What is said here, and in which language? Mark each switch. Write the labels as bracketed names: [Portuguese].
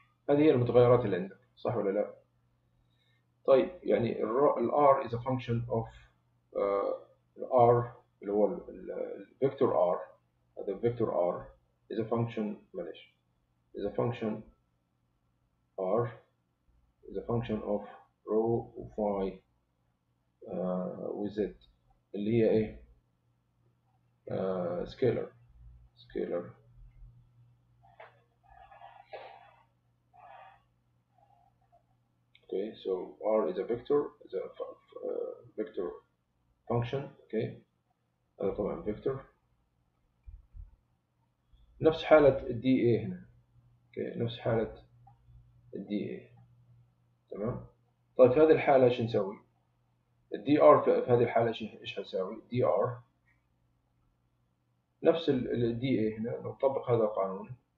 [Arabic] هذه هي المتغيرات اللي عندك، صح ولا لا؟ طيب يعني الار [English] is a function of [Arabic] الار اللي هو الفيكتور ار. هذا الفيكتور ار [English] is a function، معلش، is a function R is a function of rho phi with z [Arabic] اللي هي ايه؟ [English] scalar. scalar okay. so R is a vector, is a vector function okay. [Arabic] هذا طبعا vector. نفس حالة ال dA هنا okay. نفس حالة الدي اي، تمام. طيب في هذه الحاله ايش نسوي؟ الدي ار في هذه الحاله ايش حنسوي؟ دي ار نفس الدي اي هنا، نطبق هذا القانون.